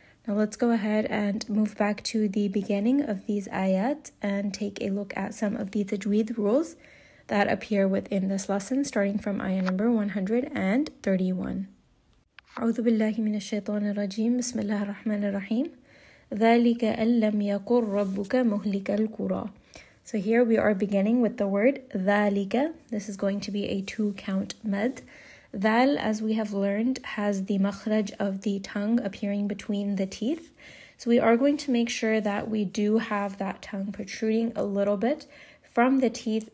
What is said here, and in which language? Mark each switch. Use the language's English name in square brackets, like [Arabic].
[English] Now let's go ahead and move back to the beginning of these ayat and take a look at some of the tajweed rules that appear within this lesson, starting from ayah number 131. [Arabic] أعوذ بالله من الشيطان الرجيم بسم الله الرحمن الرحيم ذلك أن لم يكن ربك مهلك القرى. [English] So here we are beginning with the word ذلك. This is going to be a two count med. Thal, as we have learned, has the makhraj of the tongue appearing between the teeth. So we are going to make sure that we do have that tongue protruding a little bit from the teeth.